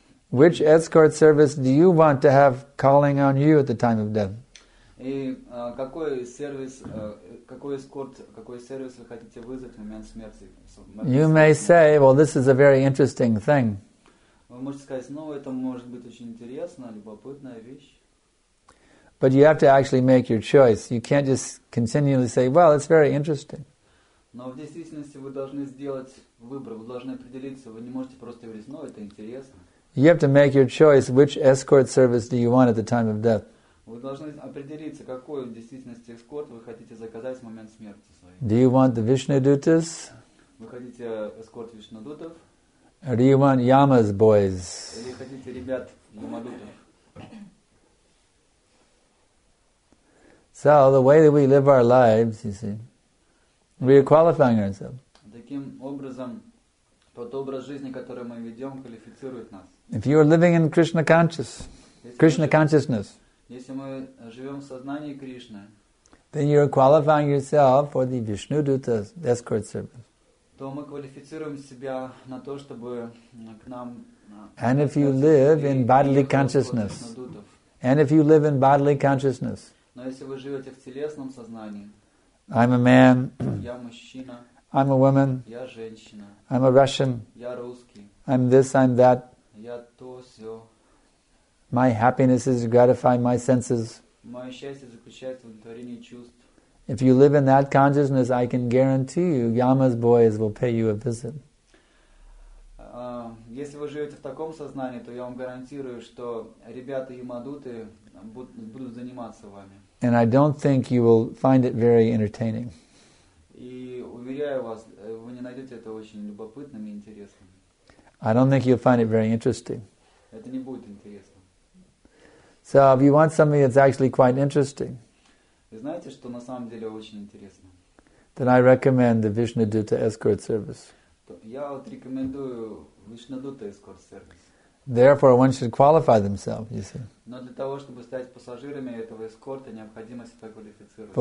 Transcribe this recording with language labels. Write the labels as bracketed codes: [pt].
[en] Which escort service do you want to have calling on you at the time of death? [ru] И какой сервис, какой эскорт, какой сервис вы хотите вызвать в момент смерти? [en] You may say, well, this is a very interesting thing. [ru] Вы можете сказать, ну, это может быть очень интересная, любопытная вещь. [en] But you have to actually make your choice. You can't just continually say, well, it's very interesting. [ru] Но в действительности вы должны сделать выбор, вы должны определиться, вы не можете просто говорить, ну, это интересно. [en] You have to make your choice, which escort service do you want at the time of death. [ru] Вы должны определиться, какой в действительности эскорт вы хотите заказать в момент смерти своей. [en] Do you want the Vishnudutas? [ru] Вы хотите эскорт Вишнудутов? [en] Or do you want Yama's boys? [ru] Или хотите ребят Ямадутов? [en] So, the way that we live our lives, you see, we are qualifying ourselves. [ru] Таким образом, тот образ жизни, который мы ведем, квалифицирует нас. [en] If you are living in Krishna Krishna consciousness, [ru] если мы живем в сознании Кришны, [en] then you are qualifying yourself for the Vishnuduta escort service. [ru] То мы квалифицируем себя на то, чтобы к нам... [en] And if you live in bodily consciousness, [ru] Но если вы живете в телесном сознании, [en] I'm a man. [ru] Я мужчина. [en] I'm a woman. [ru] Я женщина. [en] I'm a Russian. [ru] Я русский. [en] I'm this, I'm that. [ru] Я то, все. [en] My happiness is to gratify my senses. [ru] Моё счастье заключается в удовлетворении чувств. [en] If you live in that consciousness, I can guarantee you, Yama's boys will pay you a visit. [ru] Если вы живете в таком сознании, то я вам гарантирую, что ребята Ямадуты будут заниматься вами. [en] And I don't think you will find it very entertaining. [ru] И уверяю вас, вы не найдете это очень любопытным и интересным. [en] I don't think you'll find it very interesting. [ru] Это не будет интересно. [en] So if you want something that's actually quite interesting, [ru] вы знаете, что на самом деле очень интересно? [en] Then I recommend the Vishnuduta escort service. [ru] Я вот рекомендую Vishnuduta escort service. [en] Therefore, one should qualify themselves, you see. [ru] Но для того, чтобы стать пассажирами этого эскорта, необходимо себя квалифицировать.